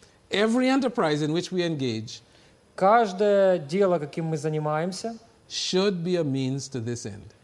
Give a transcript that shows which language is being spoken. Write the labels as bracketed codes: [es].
[en] Every enterprise in which we engage. [ru] Каждое дело, каким мы занимаемся, [en] should be a means to this end.